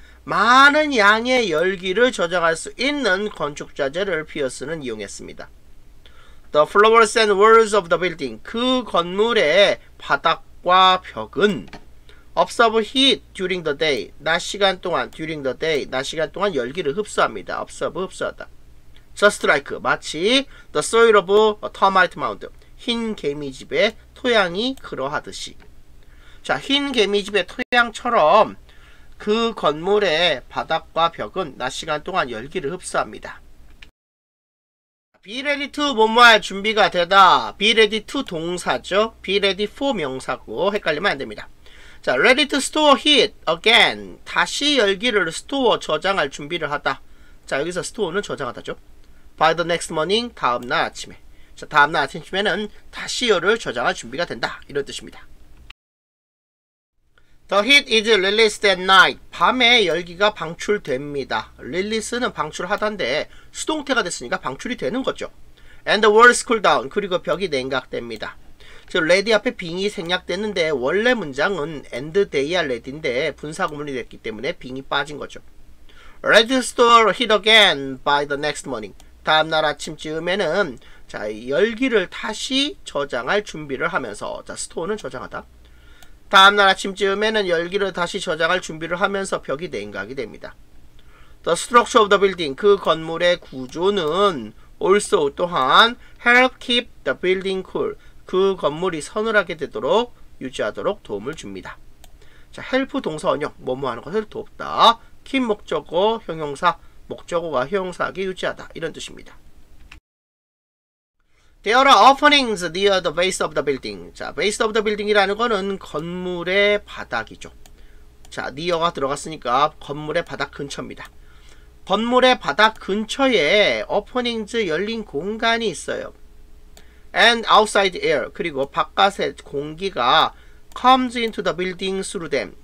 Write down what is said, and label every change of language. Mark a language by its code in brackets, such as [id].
[ko] 많은 양의 열기를 저장할 수 있는 건축 자재를 피어스는 이용했습니다. [en] The floors and walls of the building. [ko] 그 건물의 바닥과 벽은 [en] Observe heat during the day. [ko] 낮 시간 동안 [en] during the day. [ko] 낮 시간 동안 열기를 흡수합니다. Observe 흡수하다. [en] Just like [ko] 마치 [en] The soil of a termite mound. [ko] 흰 개미 집의 토양이 그러하듯이. 자, 흰 개미 집의 토양처럼 그 건물의 바닥과 벽은 낮 시간 동안 열기를 흡수합니다. [en] Be ready to [ko] 뭐뭐할 준비가 되다. [en] Be ready to [ko] 동사죠. [en] Be ready for [ko] 명사고 헷갈리면 안 됩니다. [en] 자, ready to store heat again. [ko] 다시 열기를 store 저장할 준비를 하다. 자, 여기서 store는 저장하다죠. [en] By the next morning [ko] 다음 날 아침에. 자, 다음 날 아침에는 다시 열을 저장할 준비가 된다. 이런 뜻입니다. [en] The heat is released at night. [ko] 밤에 열기가 방출됩니다. Release는 방출하다인데 수동태가 됐으니까 방출이 되는 거죠. [en] And the walls cool down. [ko] 그리고 벽이 냉각됩니다. 저 레디 앞에 빙이 생략됐는데 원래 문장은 and they are ready인데 분사구문이 됐기 때문에 빙이 빠진 거죠. [en] Ready to store heat again by the next morning. [ko] 다음날 아침쯤에는 자 열기를 다시 저장할 준비를 하면서 자 store는 저장하다. 다음날 아침쯤에는 열기를 다시 저장할 준비를 하면서 벽이 냉각이 됩니다. [en] The structure of the building. [ko] 그 건물의 구조는 [en] also [ko] 또한 [en] help keep the building cool. [ko] 그 건물이 서늘하게 되도록 유지하도록 도움을 줍니다. 자, help 동사 원형 뭐뭐 하는 것을 돕다. keep 목적어 형용사 목적어가 형용사하게 유지하다. 이런 뜻입니다. [en] There are openings near the base of the building. [ko] 자, base of the building이라는 거는 건물의 바닥이죠. 자, near가 들어갔으니까 건물의 바닥 근처입니다. 건물의 바닥 근처에 openings 열린 공간이 있어요. [en] And outside air, [ko] 그리고 바깥의 공기가 [en] comes into the building through them.